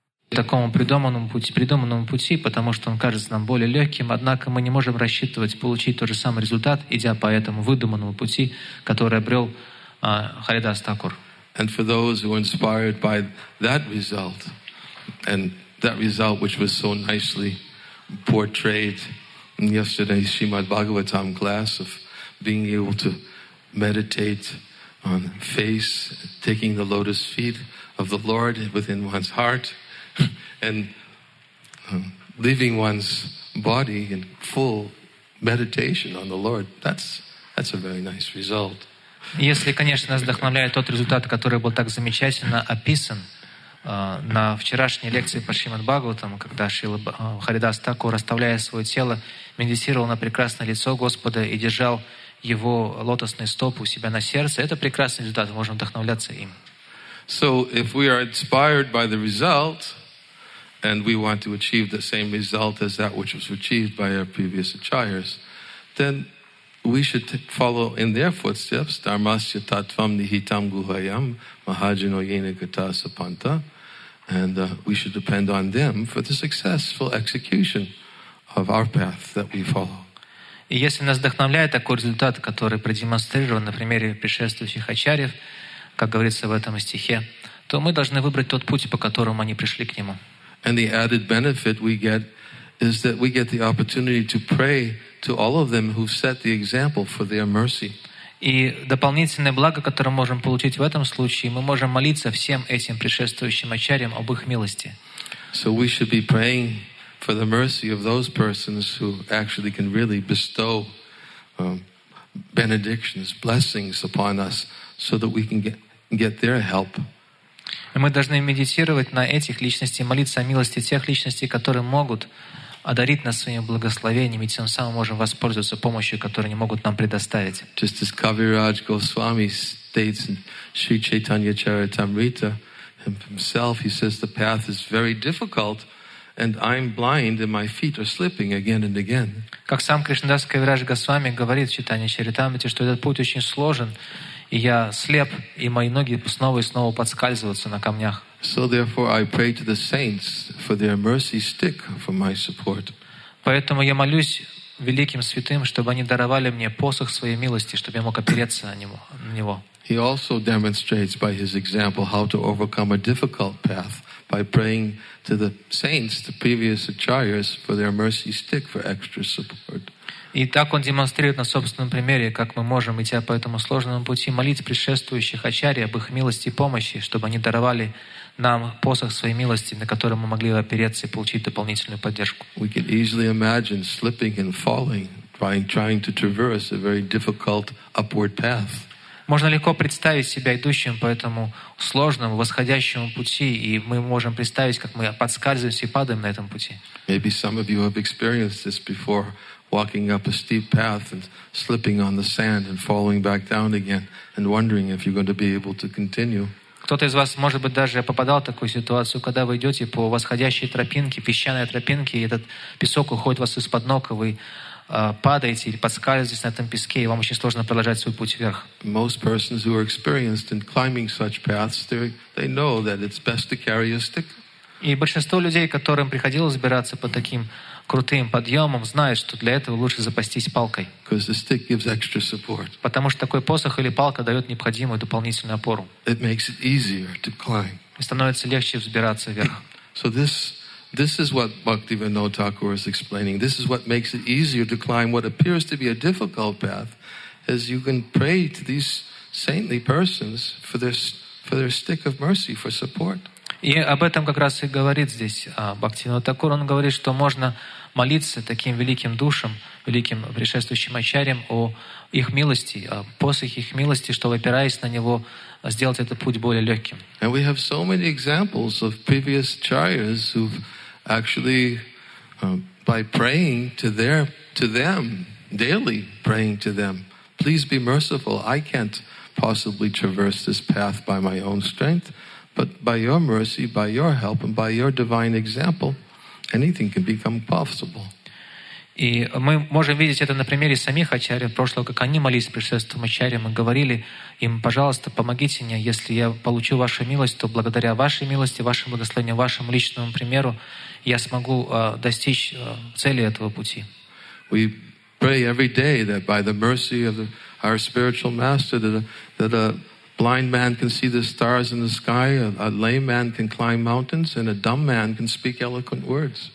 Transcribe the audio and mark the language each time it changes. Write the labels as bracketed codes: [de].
[ru] такому придуманному пути, потому что он кажется нам более легким, однако мы не можем рассчитывать получить тот же самый результат, идя по этому выдуманному пути, который обрел Харидас Такур. [en] And for those who were inspired by that result, and that result which was so nicely portrayed in yesterday's Srimad Bhagavatam class of being able to meditate on face, taking the lotus feet of the Lord within one's heart, and leaving one's body in full meditation on the Lord, that's a very nice result. [ru] Если, конечно, нас вдохновляет тот результат, который был так замечательно описан на вчерашней лекции по Шримад Бхагаватам, когда Шрила Харидас Такур, расставляя свое тело, медитировал на прекрасное лицо Господа и держал его лотосные стопы у себя на сердце, это прекрасный результат, мы можем вдохновляться им. [en] So if we are inspired by the result and we want to achieve the same result as that which was achieved by our previous acharyas, then we should follow in their footsteps, [sa] dharmasya tatvam nihitam guhayam mahajano yena gata sapanta, [en] and we should depend on them for the successful execution of our path that we follow. [ru] И если нас вдохновляет такой результат, который продемонстрирован на примере предшествующих ачарьев, как говорится в этом стихе, то мы должны выбрать тот путь, по которому они пришли к нему. [en] And the added benefit we get is that we get the opportunity to pray to all of them who set the example for their mercy. [ru] И дополнительное благо, которое мы можем получить в этом случае, мы можем молиться всем этим предшествующим ачарьям об их милости. [en] So we should be praying for the mercy of those persons who actually can really bestow benedictions, blessings upon us, so that we can get their help. [ru] Мы должны медитировать на этих личностей, молиться о милости тех личностей, которые могут одарить нас своим благословением, и тем самым можем воспользоваться помощью, которую они могут нам предоставить. [en] Just as Kaviraj Goswami states in Sri Chaitanya Charitamrita himself, he says the path is very difficult, and I'm blind, and my feet are slipping again and again. [ru] Как сам Кришнадас Кавирадж Госвами говорит в Чайтанье Чаритамрите, что этот путь очень сложен. И я слеп, и мои ноги снова и снова подскальзываются на камнях. [en] So therefore I pray to the saints for their mercy stick for my support. [ru] Поэтому я молюсь великим святым, чтобы они даровали мне посох своей милости, чтобы я мог опереться на него. [en] He also demonstrates by his example how to overcome a difficult path by praying to the saints, the previous acharyas, for their mercy stick for extra support. [ru] И так он демонстрирует на собственном примере, как мы можем, идя по этому сложному пути, молить предшествующих ачарьи об их милости и помощи, чтобы они даровали нам посох своей милости, на который мы могли опереться и получить дополнительную поддержку. [en] We can easily imagine slipping and falling, trying to traverse a very difficult upward path. [ru] Можно легко представить себя идущим по этому сложному, восходящему пути, и мы можем представить, как мы подскальзываемся и падаем на этом пути. [en] Maybe some of you have experienced this before, walking up a steep path and slipping on the sand and falling back down again and wondering if you're going to be able to continue. [ru] Кто-то из вас, может быть, даже попадал в такую ситуацию, когда вы идете по восходящей тропинке, песчаной тропинке, и этот песок уходит у вас из-под ног, и вы падаете или подскальзываетесь на этом песке, и вам очень сложно продолжать свой путь вверх. [en] Most persons who are experienced in climbing such paths, they know that it's best to carry a stick. [ru] И большинство людей, которым приходилось забираться по таким крутым подъемам, знают, что для этого лучше запастись палкой. [en] Because the stick gives extra support. [ru] Потому что такой посох или палка дает необходимую дополнительную опору. [en] It makes it easier to climb. [ru] И становится легче взбираться вверх. [en] So this is what Bhaktivinoda Thakur is explaining. This is what makes it easier to climb what appears to be a difficult path, as you can pray to these saintly persons for their stick of mercy, for support. [ru] И об этом как раз и говорит здесь Бхактивинода Такур. Он говорит, что можно молиться таким великим душам, великим предшествующим ачарьям о их милости, о посохе их милости, чтобы, опираясь на него, сделать этот путь более легким. [en] And we have so many examples of previous acharyas who've actually, by praying to them, daily praying to them, please be merciful, I can't possibly traverse this path by my own strength, But by your mercy, by your help, and by your divine example, anything can become possible. [ru] И мы можем видеть это на примере самих ачарьев прошлого, как они молились пришествующим ачарьям и говорили им: «Пожалуйста, помогите мне, если я получу вашу милость, то благодаря вашей милости, вашему благословению, вашему личному примеру я смогу достичь цели этого пути». [en] We pray every day that by the mercy of our spiritual master that a blind man can see the stars in the sky, a lame man can climb mountains, and a dumb man can speak eloquent words.